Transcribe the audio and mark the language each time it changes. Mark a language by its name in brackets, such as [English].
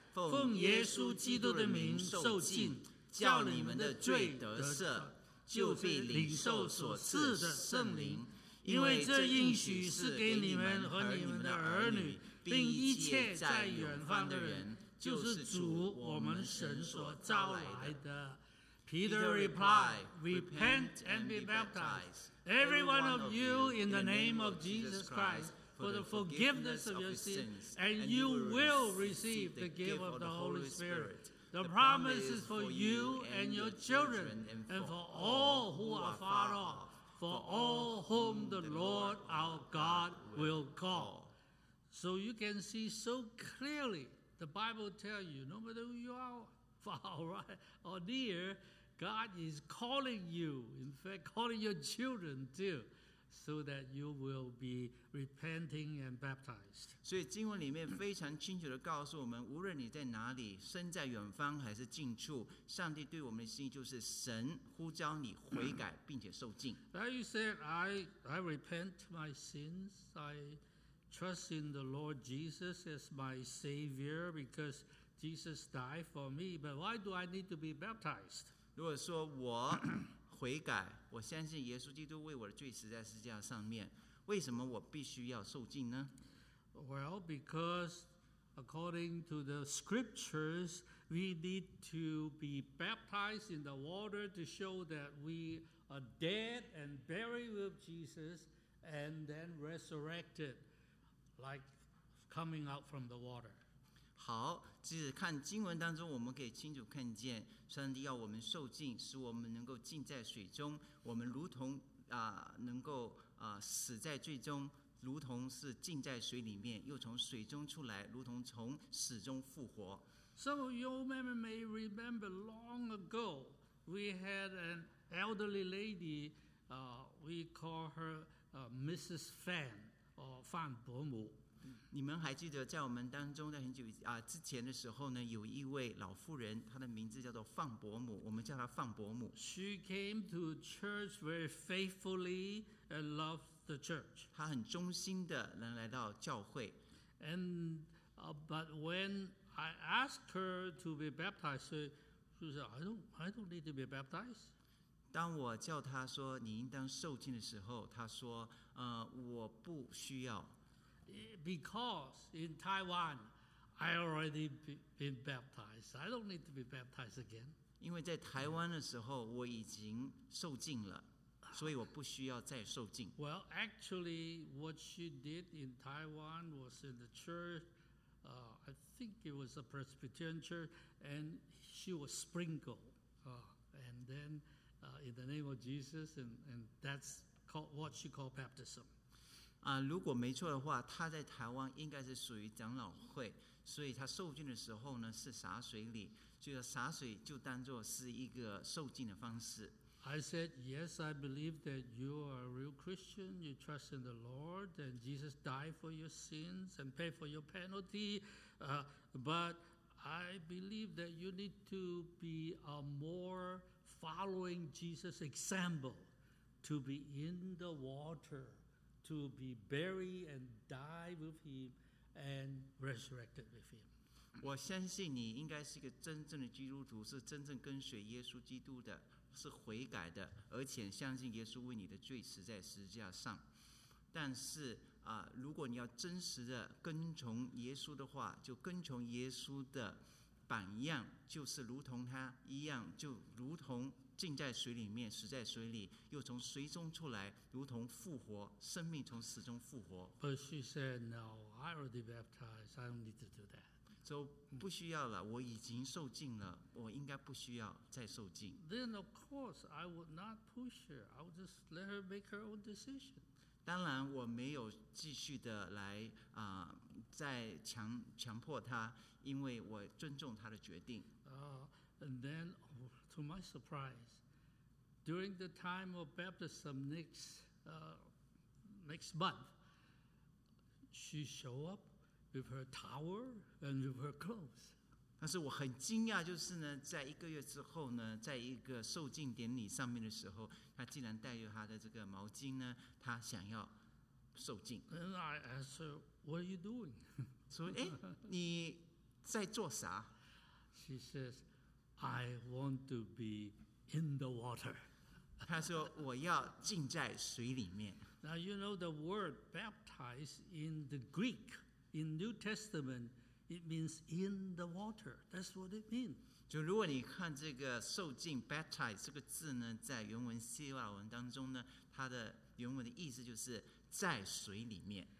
[Chinese] 奉耶稣基督的名受浸，叫你们的罪得赦。” 就必领受所赐的圣灵，因为这应许是给你们和你们的儿女，并一切在远方的人，就是主我们神所召来的。 [English] Peter replied, Repent and be baptized, every one of you, in the name of Jesus Christ, for the forgiveness of your sins, and you will receive the gift of the Holy Spirit. The promise is for you and your children and for all who are far off, for all whom the Lord our God will call. So you can see so clearly, the Bible tells you, no matter who you are, far or near, God is calling you, in fact, calling your children too. So that you will be repenting and baptized. [Chinese] 所以经文里面非常清楚地告诉我们，无论你在哪里，身在远方还是近处，上帝对我们的心意就是神呼召你悔改并且受浸。 [English] Now you said, I repent my sins. I trust in the Lord Jesus as my Savior because Jesus died for me. But why do I need to be baptized? [Chinese] 如果说我悔改，我相信耶稣基督为我的罪死在十字架上面，为什么我必须要受浸呢？ [English] Well, because according to the scriptures, we need to be baptized in the water to show that we are dead and buried with Jesus and then resurrected, like coming out from the water. [Chinese] 好，其实看经文当中，我们可以清楚看见，上帝要我们受浸，使我们能够浸在水中，我们如同能够死在最终，如同是浸在水里面，又从水中出来，如同从死中复活。 [English] Some of you may remember long ago, we had an elderly lady, we call her Mrs. Fan or Fan 伯母。 [Chinese] 你们还记得在我们当中在很久之前的时候呢，有一位老妇人，她的名字叫做范伯母，我们叫她范伯母。 [English] She came to church very faithfully and loved the church. [Chinese] 她很忠心的能来到教会。 [English] And but when I asked her to be baptized, she said, I don't need to be baptized. [Chinese] 当我叫她说你应当受浸的时候，她说我不需要。 [English] Because in Taiwan, I already been baptized. I don't need to be baptized again. [Chinese] 因为在台湾的时候，我已经受浸了，所以我不需要再受浸。 [English] Well, actually, what she did in Taiwan was in the church, I think it was a Presbyterian church, and she was sprinkled, and then in the name of Jesus, and that's called what she called baptism. [Chinese] 如果没错的话，他在台湾应该是属于长老会，所以他受浸的时候呢是洒水礼，所以洒水就当作是一个受浸的方式。 [English] I said, yes, I believe that you are a real Christian. You trust in the Lord, and Jesus died for your sins and paid for your penalty. But I believe that you need to be a more following Jesus' example to be in the water, to be buried and die with him and resurrected with him. [Chinese] 我相信你应该是一个真正的基督徒，是真正跟随耶稣基督的，是悔改的，而且相信耶稣为你的罪死在十字架上。但是如果你要真实的跟从耶稣的话，就跟从耶稣的榜样，就是如同他一样，就如同浸在水里面，死在水里，又从水中出来，如同复活，生命从死中复活。 [English] But she said, "No, I already baptized. I don't need to do that." [Chinese] So, 不需要了，我已经受浸了，我应该不需要再受浸。 [English] Then of course, I would not push her. I would just let her make her own decision. [Chinese] 当然，我没有继续的来再强迫她，因为我尊重她的决定。 [English] And then, to my surprise, during the time of baptism next month, she show up with her towel and with her clothes. [Chinese] 但是我很惊讶，就是呢，在一个月之后呢，在一个受浸典礼上面的时候，她竟然带着她的这个毛巾呢，她想要受浸。 [English] And I asked her, "What are you doing?" [Chinese] 说，哎，你在做啥？ [English] She says. I want to be in the water. [Chinese] 他说我要浸在水里面。 [English] Now you know the word baptize in the Greek, in New Testament, it means in the water. That's what it means. [Chinese] 就如果你看这个受浸 baptize 这个字呢，在原文希腊文当中呢，它的原文的意思就是在水里面。